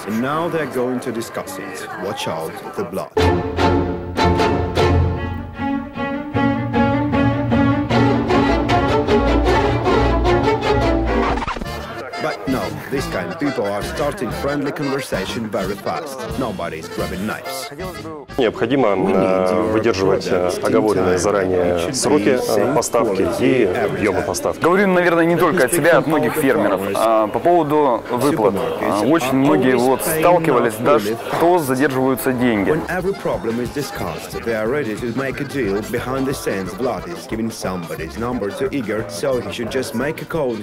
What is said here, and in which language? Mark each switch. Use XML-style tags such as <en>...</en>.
<en>And now they're going to discuss it. Watch out, the blood. This kind of people are starting friendly conversation very fast. Nobody's grabbing knives.</en> <ru>Необходимо выдерживать оговоренные заранее сроки поставки и объемы поставки. Говорю, наверное, не только от себя, от многих фермеров. По поводу выплат. Очень многие вот сталкивались, да, что задерживаются деньги.</ru> <en>When every problem is discussed, they are ready to make a deal. Behind the scenes, Vlad is giving somebody's number to Igor, so he should just make a call.</en>